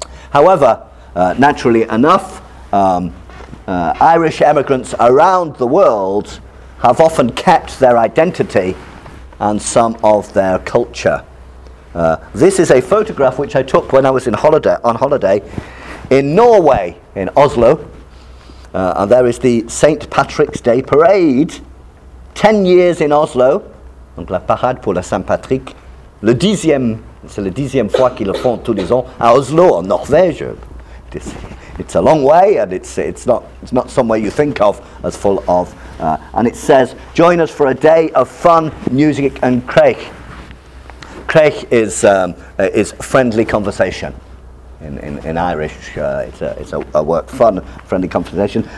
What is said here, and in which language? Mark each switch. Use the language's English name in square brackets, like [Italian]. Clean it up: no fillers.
[English] However, naturally enough, Irish emigrants around the world have often kept their identity and some of their culture. This is a photograph which I took when I was on holiday in Norway, in Oslo. And there is the St. Patrick's Day Parade. 10 years in Oslo, [French] donc la parade pour la Saint-Patrick, le dixième, c'est le dixième fois qu'ils le font tous les ans à Oslo, en Norvège. [English] It's a long way, and it's not somewhere you think of as full of. And it says, "Join us for a day of fun, music, and craic." Craic is friendly conversation. In Irish, it's a work, fun, friendly conversation.